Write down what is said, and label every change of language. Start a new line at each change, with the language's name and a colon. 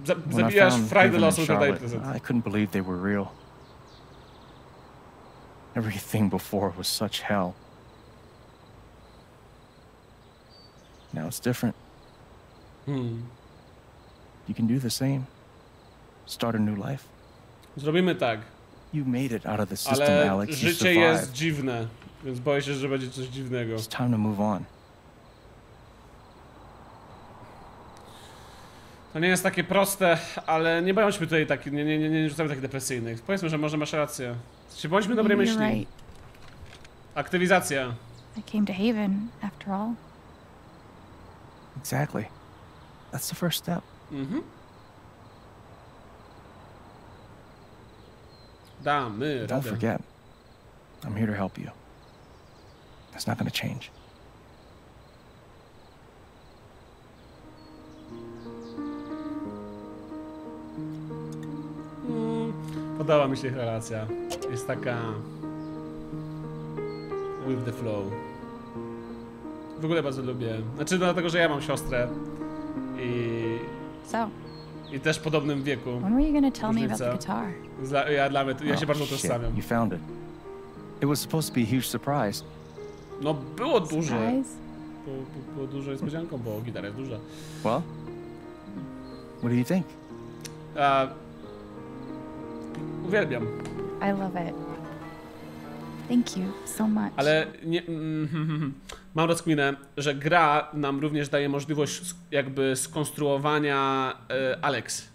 Polish: Zabijasz frajdę losu, że daję prezent.
English: I couldn't believe they were real. Everything before was such hell. Now it's different. You can do the same. Start a new life.
Polish: Zrobimy tak.
English: You made it out of the system,
Polish: ale Alex. Ale życie jest dziwne, więc boję się, że będzie coś dziwnego.
English: It's time to move on.
Polish: To nie jest takie proste, ale nie bądźmy tutaj taki, nie rzucamy takich depresyjnych. Powiedzmy, że może masz rację. Czy bądźmy dobrej myśli. Aktywizacja.
English: I came to Haven, after all. Exactly. That's the first step.
Polish: Damy radę.
English: Don't forget. I'm here to help you. That's not gonna change.
Polish: Podoba mi się ich relacja. Jest taka...
English: with the flow.
Polish: W ogóle bardzo lubię. Znaczy dlatego, że ja mam siostrę. I...
English: So.
Polish: I też w podobnym wieku.
English: When were you gonna tell me about the guitar?
Polish: Ja się bardzo utożsamiam.
English: You found it. It was supposed to be a huge surprise.
Polish: No, było duże. Było dużo niespodzianką, bo gitara jest duża.
English: Well, What do you think?
Polish: Uwielbiam.
English: I love it. Thank you so much.
Polish: Ale nie, mam rozkminę, że gra nam również daje możliwość jakby skonstruowania Alex.